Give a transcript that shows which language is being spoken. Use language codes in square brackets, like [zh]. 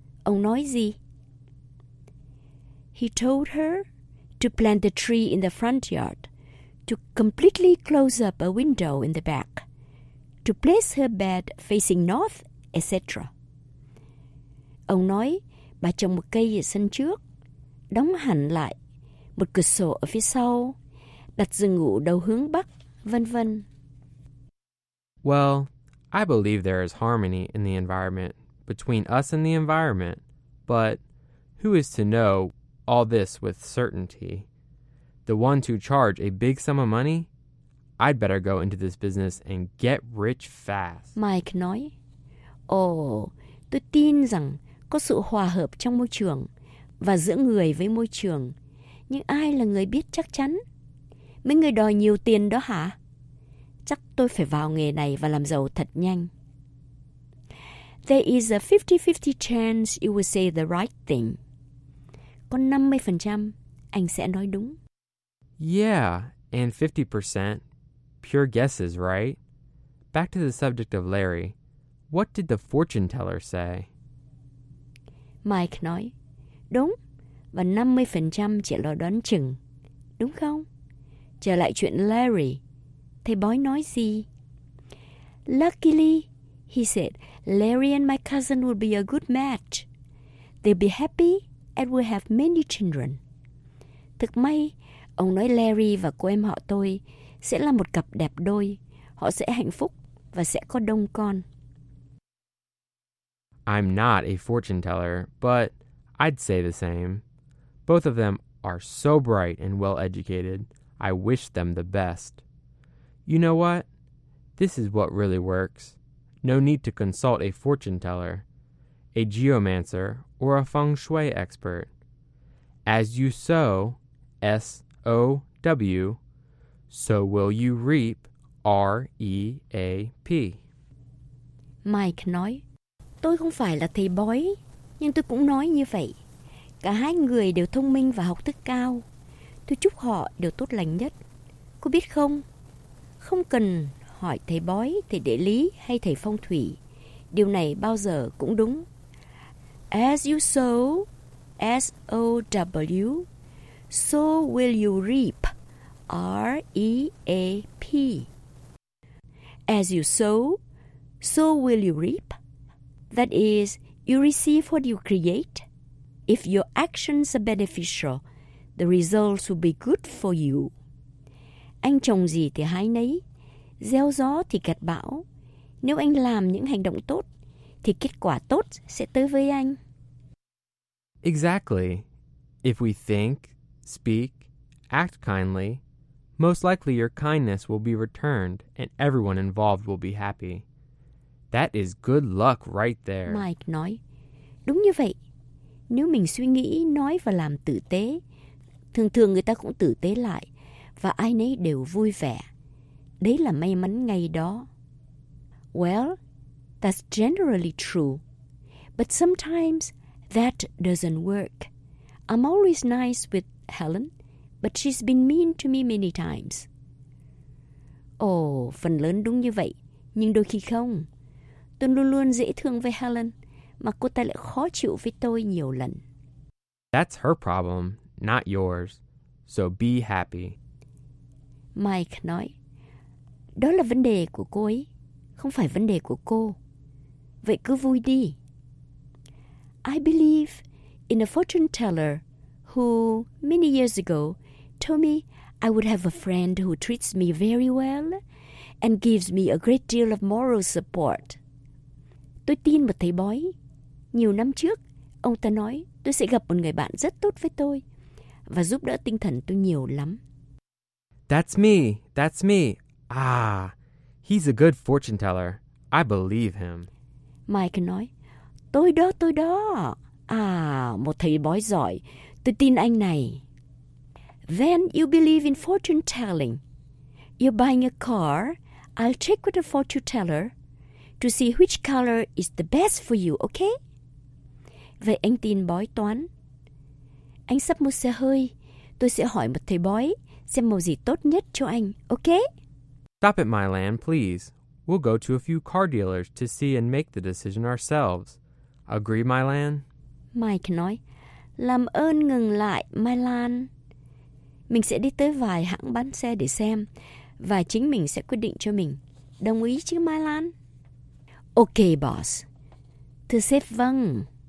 [vi] Ông nói gì? [en] He told her to plant a tree in the front yard, to completely close up a window in the back, to place her bed facing north, etc. [vi] Ông nói, bà trồng một cây ở sân trước, đóng hẳn lại một cửa sổ ở phía sau, đặt giường ngủ đầu hướng bắc, vân vân. [en] Well, I believe there is harmony in the environment, between us and the environment, but who is to know all this with certainty? The ones who charge a big sum of money? I'd better go into this business and get rich fast. [vi] Mike nói, oh, tôi tin rằng có sự hòa hợp trong môi trường và giữa người với môi trường, nhưng ai là người biết chắc chắn? Mấy người đòi nhiều tiền đó hả? Chắc tôi phải vào nghề này và làm giàu thật nhanh. [en] There is a 50-50 chance you will say the right thing. [vi] Có 50% anh sẽ nói đúng. [en] Yeah, and 50% pure guesses, right? Back to the subject of Larry. What did the fortune teller say? [vi] Mike nói, đúng, và 50% chỉ là đoán chừng, đúng không? Trở lại chuyện Larry, thầy bói nói gì? [en] Luckily, he said, Larry and my cousin will be a good match. They'll be happy and will have many children. [vi] Thực may, ông nói Larry và cô em họ tôi sẽ là một cặp đẹp đôi. Họ sẽ hạnh phúc và sẽ có đông con. [en] I'm not a fortune teller, but I'd say the same. Both of them are so bright and well-educated. I wish them the best. You know what? This is what really works. No need to consult a fortune teller, a geomancer, or a feng shui expert. As you sow, S-O-W, so will you reap, R-E-A-P. [vi] Mike nói, tôi không phải là thầy bói, nhưng tôi cũng nói như vậy. Cả hai người đều thông minh và học thức cao. Tôi chúc họ đều tốt lành nhất. Cô biết không? Không cần hỏi thầy bói, thầy địa lý hay thầy phong thủy. Điều này bao giờ cũng đúng. [en] As you sow, S-O-W, so will you reap, R-E-A-P. As you sow, so will you reap. That is, you receive what you create. If your actions are beneficial, the results will be good for you. [vi] Anh trồng gì thì hái nấy. Gieo gió thì gặt bão. Nếu anh làm những hành động tốt, thì kết quả tốt sẽ tới với anh. [en] Exactly. If we think, speak, act kindly, most likely your kindness will be returned and everyone involved will be happy. That is good luck right there. [vi] Mike nói, đúng như vậy. Nếu mình suy nghĩ, nói và làm tử tế, thường thường người ta cũng tử tế lại và ai nấy đều vui vẻ. Đấy là may mắn ngay đó. [en] Well, that's generally true. But sometimes that doesn't work. I'm always nice with Helen, but she's been mean to me many times. [vi] Oh, phần lớn đúng như vậy, nhưng đôi khi không. Tôi luôn luôn dễ thương với Helen, mà cô ta lại khó chịu với tôi nhiều lần. [en] That's her problem, not yours. So be happy. [vi] Mike nói, đó là vấn đề của cô ấy, không phải vấn đề của cô. Vậy cứ vui đi. [en] I believe in a fortune teller who, many years ago, told me I would have a friend who treats me very well and gives me a great deal of moral support. [vi] Tôi tin một thầy bói. Nhiều năm trước, ông ta nói tôi sẽ gặp một người bạn rất tốt với tôi và giúp đỡ tinh thần tôi nhiều lắm. [en] That's me. Ah, he's a good fortune teller. I believe him. [vi] Mike nói, tôi đó. À, một thầy bói giỏi. Tôi tin anh này. [en] Then you believe in fortune telling. You're buying a car. I'll check with a fortune teller to see which color is the best for you, okay? [vi] Vậy anh tin bói toán. Anh sắp mua xe hơi. Tôi sẽ hỏi một thầy bói xem màu gì tốt nhất cho anh, okay? [en] Stop at my land, please. We'll go to a few car dealers to see and make the decision ourselves. Agree, Mylan? [vi] Mike nói, làm ơn ngừng lại, Mylan. Mình sẽ đi tới vài hãng bán xe để xem, và chính mình sẽ quyết định cho mình. Đồng ý chứ, Mylan? [en] Ok, boss. [vi] Thưa sếp, vâng.